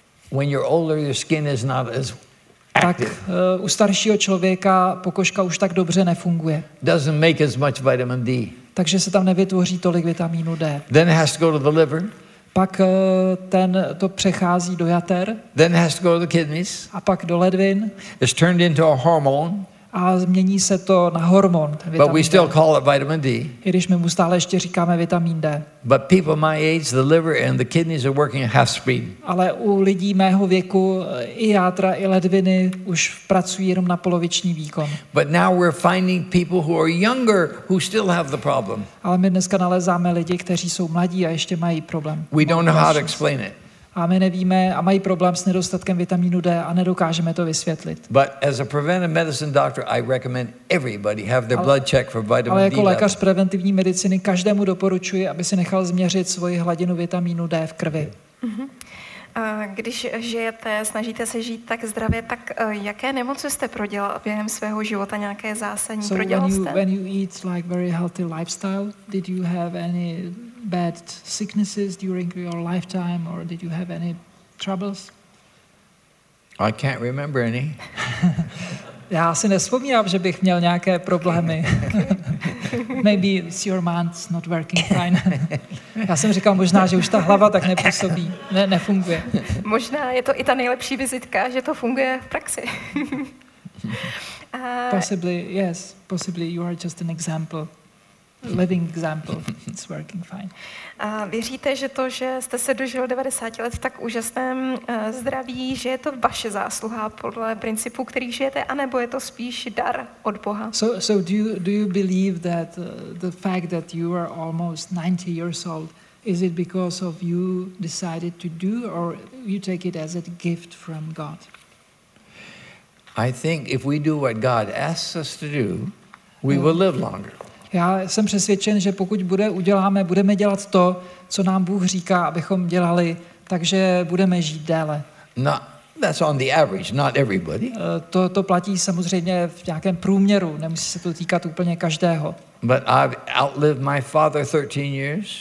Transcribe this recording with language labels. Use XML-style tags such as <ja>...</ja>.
<en>when you're older, your skin is not as active.</en> <cs>Tak u staršího člověka pokožka už tak dobře nefunguje.</cs> <en>Doesn't make as much vitamin D.</en> <cs>Takže se tam nevytvoří tolik vitamínu D.</cs> <en>Then has to go to the liver.</en> <cs>Pak ten to přechází do jater.</cs> <en>Then has to go to the kidneys.</en> <cs>A pak do ledvin.</cs> <en>It's turned into a hormone.</en> <cs>A změní se to na hormon.</cs> <en>But we still call it vitamin D.</en> <cs>I když my mu stále ještě říkáme vitamin D.</cs> <en>But people my age, the liver and the kidneys are working at half speed.</en> <cs>Ale u lidí mého věku i játra i ledviny už pracují jenom na poloviční výkon.</cs> <en>But now we're finding people who are younger who still have the problem.</en> <cs>Ale my dneska nalézáme lidi, kteří jsou mladí a ještě mají problém.</cs> <en>We don't know how to explain it.</en> <cs>A my nevíme a mají problém s nedostatkem vitamínu D a nedokážeme to vysvětlit.</cs> <en>But as a preventive medicine doctor, I recommend everybody have their blood check for vitamin D.</en> <cs>Ale jako lékař preventivní mediciny každému doporučuji, aby si nechal změřit svoji hladinu vitamínu D v krvi. Uh-huh. Když žijete, snažíte se žít tak zdravě, tak jaké nemoci jste prodělal během svého života, nějaké zásadní prodělal jste?</cs> <en>When you eat like very healthy lifestyle, did you have any bad sicknesses during your lifetime or did you have any troubles? I can't remember any.</en> <cs>Já si nespomínám, že bych měl nějaké problémy.</cs> <en>Maybe it's your mind's not working fine.</en> <cs>Já jsem říkal, možná, že už ta hlava tak nepůsobí, ne, nefunguje. Možná je to i ta nejlepší vizitka, že to funguje v praxi.</cs> <en>Possibly, yes. Possibly you are just an example. Living example. It's working fine.</en> <cs>A věříte, že to, že jste se dožil 90 let v tak úžasném zdraví, že je to vaše zásluha podle principu, který žijete, anebo je to spíš dar od Boha?</cs> <en>So do you believe that the fact that you are almost 90 years old, is it because of you decided to do, or you take it as a gift from God? I think if we do what God asks us to do, we will live longer.</en> <cs>Já jsem přesvědčen, že pokud budeme dělat to, co nám Bůh říká, abychom dělali, takže budeme žít déle.</cs> <en>No, that's on the average, not everybody.</en> <cs>To platí samozřejmě v nějakém průměru, nemusí se to týkat úplně každého.</cs> <en>But I've outlived my father 13 years.</en>